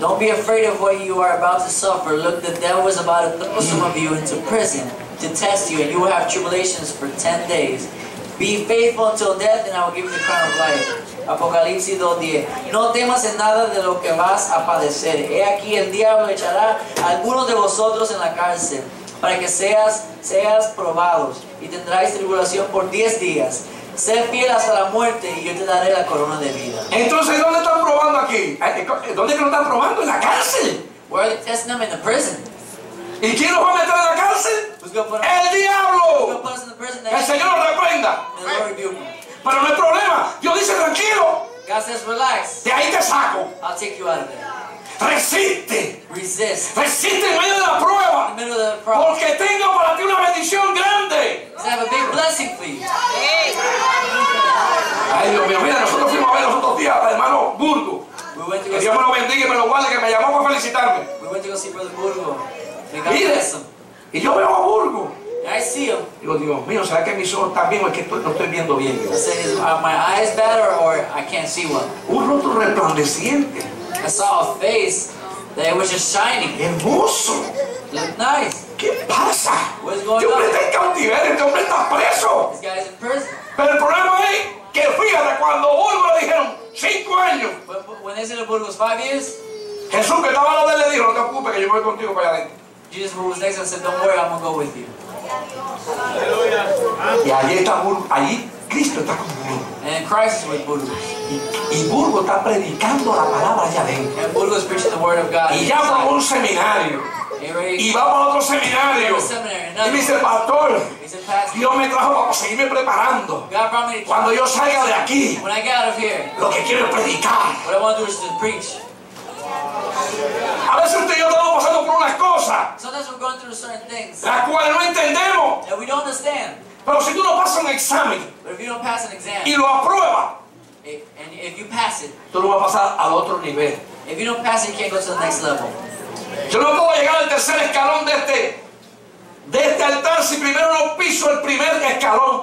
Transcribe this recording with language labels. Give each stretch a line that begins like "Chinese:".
English: Don't be afraid of what you are about to suffer. Look, the devil is about to throw some of you into prison to test you, and you will have tribulations for 10 days. Be faithful until death, and I will give you the crown of life.
Spanish: Apocalipsis 2:10. No temas en nada de lo que vas a padecer. He aquí el diablo echará a algunos de vosotros en la cárcel para que seas probados, y tendráis tribulación por 10 días. Sé fiel hasta la muerte y yo te daré la corona de vida. Entonces, ¿dónde están probando aquí? ¿Dónde que lo están probando? En la cárcel.
English: Where are they testing them? In the prison.
Spanish: ¿Y quién nos va a meter en la cárcel? ¡El diablo! ¡El Señor lo reprenda! Pero no hay problema. Dios dice, tranquilo.
English: God says, relax.
Spanish: De ahí te saco.
English: I'll take you out of there.
Spanish: Resiste.
English: Resist.
Spanish: Resiste en medio de la prueba.
English: In the middle of the problem.
Spanish: Porque tengo para ti una bendición grande.
English: I have a big blessing for you.
Spanish: Ay, Dios mío, mira, nosotros fuimos a ver los otros días al hermano Burgo.
English: We went to
Spanish: que Dios me lo bendiga y me lo guarde, que me llamó para felicitarme.
English: We went to go see Brother Burgo.
Spanish: Mire, y yo veo a Burgo.
English: I see him.
Spanish: Digo, Dios mío, ¿será que mis ojos están bien o es que estoy, no estoy viendo bien?
English: I said, is my eyes better or I can't see well?
Spanish: Un rostro resplandeciente.
English: I saw a face that was just shining.
Spanish: Hermoso.
English: Looked nice.
Spanish: ¿Qué pasa?
English: What's going on?
Spanish: Este hombre está en cautiverio, este hombre está preso.
English: This guy is in prison.
Spanish: Pero el problema es que fíjate cuando Burgos le dijeron 5 años.
English: When they said to Burgos 5 years.
Spanish: Jesús que estaba a la vez le dijo, no te preocupes que yo voy contigo para allá.
English: Jesus who was next to him said, don't worry, I'm going to go with you.
Spanish: Y allí está Burgos, allí Cristo está con Burgos.
English: And Christ is with Burgos.
Spanish: Y Burgos está predicando la palabra allá adentro.
English: And Burgos preaching the word of God.
Spanish: Y ya va a un seminario. Y vamos a otro seminario. Y me dice, pastor, Dios me trajo para seguirme preparando. Cuando yo salga de aquí, lo que quiero es predicar.
English: What I want to do is to preach.
Spanish: A veces usted y yo estamos pasando por unas cosas las cuales no entendemos.
English: That we don't understand.
Spanish: Pero si tú no pasas un examen,
English: but if you don't pass an exam,
Spanish: y lo aprueba,
English: and if you pass it,
Spanish: tú lo vas a pasar al otro nivel.
English: If you don't pass it, you can't go to the next level.
Spanish: Yo no puedo llegar al tercer escalón de este altar si primero no piso el primer escalón.